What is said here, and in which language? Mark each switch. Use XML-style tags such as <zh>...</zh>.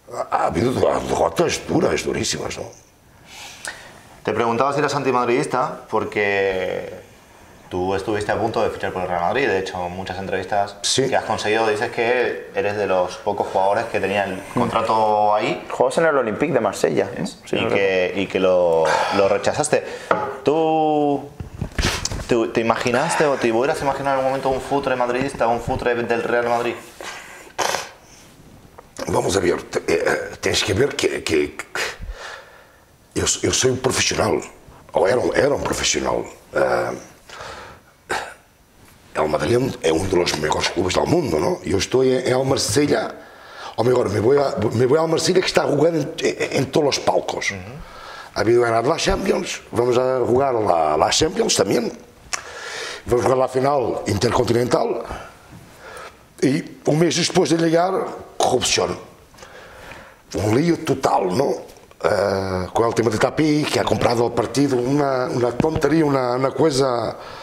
<pt>Ha havido derrotas duras, duríssimas, não? Te perguntava se</pt> <es>eras antimadridista, porque tu estuviste a ponto de fichar por el Real Madrid. De hecho, en muchas entrevistas sí. Que has conseguido, dices que eres de los pocos jugadores que tenían el contrato ahí. Jugabas en el Olympique de Marsella, ¿no? Sí, y que lo rechazaste. Tú... ¿Te imaginaste o te hubieras imaginado en algún momento un Futre madridista, un Futre del Real Madrid? Vamos a ver, tienes que ver que yo soy un profesional, o era un profesional. El Madrid es uno de los mejores clubes del mundo, ¿no? Yo estoy en el Marsella, o mejor, me voy al Marsella que está jugando en todos los palcos. Uh-huh. Había ganado la Champions, vamos a jugar la Champions también.</es> <pt>Vamos jogar a final intercontinental e um mês depois de ligar, corrupção. Um lío total, não? Com o tema de Tapi, que ha comprado o partido, uma tonteria, uma coisa</pt>